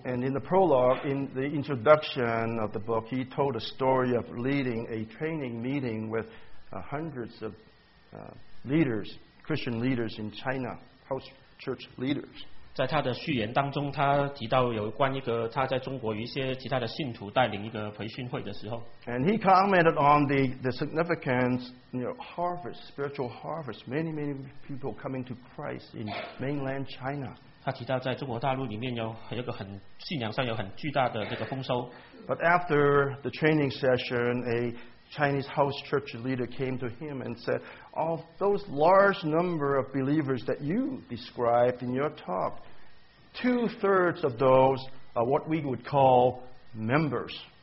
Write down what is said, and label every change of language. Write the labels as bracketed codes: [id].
[en] And in the prologue, in the introduction of the book, he told a story of leading a training meeting with hundreds of leaders. Christian leaders in China, house church leaders. [zh] 在他的序言当中, 他提到有关一个他在中国一些其他的信徒带领一个培训会的时候。 [en] And he commented on the significance, you know, harvest, spiritual harvest, many, many people coming to Christ in mainland China. [zh] 他提到在中国大陆里面有很信仰上有很巨大的这个丰收。 [en] But after the training session, a Chinese house church leader came to him and said, of those large number of believers that you described in your talk, two-thirds of those are what we would call members.